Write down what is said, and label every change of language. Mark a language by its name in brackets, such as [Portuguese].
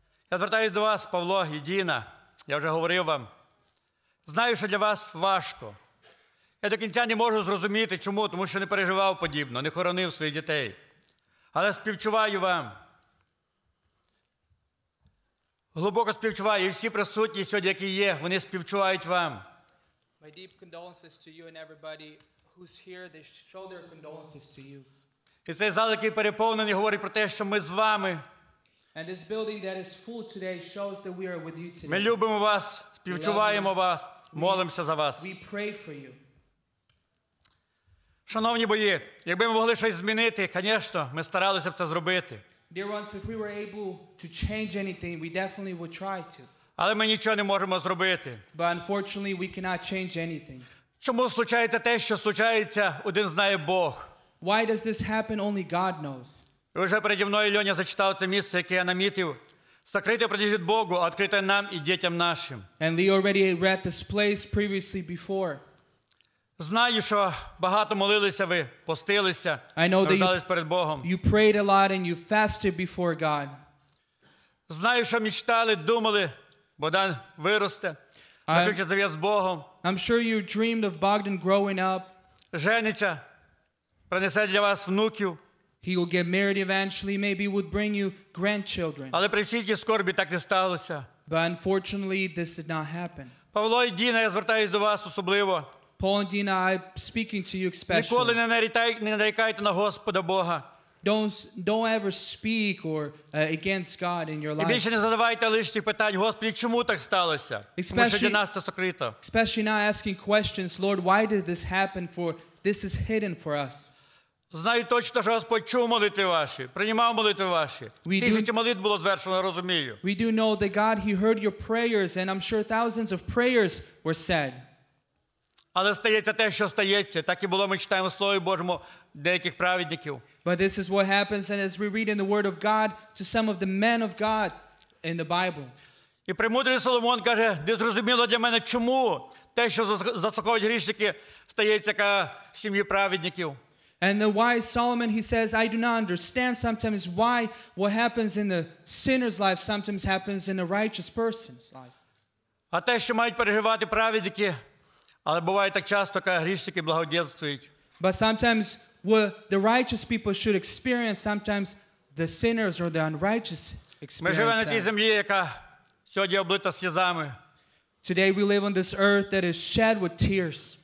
[Ukrainian] Я звертаюся до вас, Павло і Діна, я вже говорив вам. Знаю, що для вас важко. Я до кінця не можу зрозуміти, чому, тому що не переживав подібно, не хоронив своїх дітей. Але співчуваю вам. Глибоко співчуваю, і всі присутні сьогодні, які є, вони співчувають вам. [English] My deep condolences to you and everybody who's here, they show their condolences to you. [Ukrainian] І цей зал, який переповнений, говорить про те, що ми з вами. [English] And this building that is full today shows that we are with you today. [Ukrainian] Ми любимо вас, співчуваємо вас, молимося за вас. [English] We pray for you. [Ukrainian] Шановні бої, якби ми могли щось змінити, звісно, ми старалися б це зробити. [English] Dear ones, if we were able to change anything, we definitely would try to. [Ukrainian] Але ми нічого не можемо зробити. [English] But unfortunately, we cannot change anything. [Ukrainian] Чому случається те, що случається, один знає Бог. [English] Why does this happen, only God knows. [Ukrainian] І вже переді мною Льоня зачитав це місце, яке я намітив. Закрите преді від Богу, а відкрите нам і дітям нашим. [English] And Lee already read this place previously before. [Ukrainian] Знаю, що багато молилися ви, постилися, нуждались перед Богом. [English] You prayed a lot and you fasted before God. [Ukrainian] Знаю, що мечтали, думали, Богдан виросте, заключить зав'яз з Богом. [English] I'm sure you dreamed of Bogdan growing up. [Ukrainian] Жениться, принесе для вас внуків. [English] He will get married eventually, maybe would bring you grandchildren. [Ukrainian] Але при всій скорбі так не сталося. [English] But unfortunately, this did not happen. [Ukrainian] Павло і Діна, я звертаюсь до вас особливо. [English] Paul and Dina, I'm speaking to you especially. [Ukrainian] Ніколи не нарікайте на Господа Бога. [English] Don't ever speak or against God in your life. [Ukrainian] І більше не задавайте лишніх питань. Господи, чому так сталося? [English] Especially, [Ukrainian] тому що для нас це скрито. [English] Especially not asking questions, Lord, why did this happen? For this is hidden for us. [Ukrainian] Знаю точно, що Господь чув молитви ваші, приймав молитви ваші. Тисячі молитв було звершено, розумію. [English] We do know that God, he heard your prayers, and I'm sure thousands of prayers were said. [Ukrainian] Але стається те, що стається. Так і було, ми читаємо в Слові Божому деяких праведників. [English] But this is what happens, and as we read in the Word of God to some of the men of God in the Bible. [Ukrainian] І премудрий Соломон каже, незрозуміло для мене, чому те, що заслуховують грішники, стається ка сім'ї праведників. [English] And the wise Solomon, he says, I do not understand sometimes why what happens in the sinner's life sometimes happens in a righteous person's life. [Ukrainian] А те, що мають переживати праведники, але буває так часто, коли грішники благодійствують. [English] But sometimes what the righteous people should experience, sometimes the sinners or the unrighteous experience. [Ukrainian] Ми живемо на цій землі, яка сьогодні облита сльозами. [English] Today we live on this earth that is shed with tears.